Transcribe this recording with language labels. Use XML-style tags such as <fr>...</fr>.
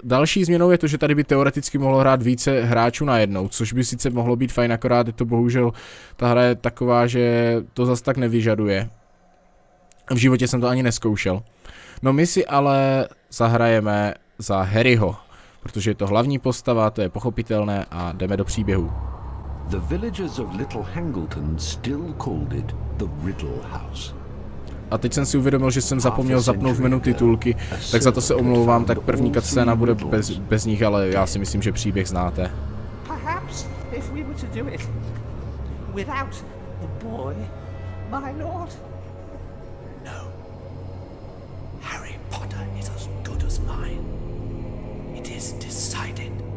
<cs>Další změnou je to, že tady by teoreticky mohlo hrát více hráčů najednou, což by sice mohlo být fajn, akorát je to bohužel, ta hra je taková, že to zas tak nevyžaduje. V životě jsem to ani neskoušel. No my si ale zahrajeme za Harryho. Protože je to hlavní postava, to je pochopitelné a jdeme do příběhu.</cs> <en>The villagers of Little Hangleton still called it the Riddle House.</en> <cs>A teď jsem si uvědomil, že jsem zapomněl zapnout v menu titulky, tak za to se omlouvám, tak první cutscéna bude bez nich, ale já si myslím, že příběh znáte.</cs> <en>Perhaps if we were to do it without the boy, my lord. No. Harry Potter is as good as mine. It is decided.</en>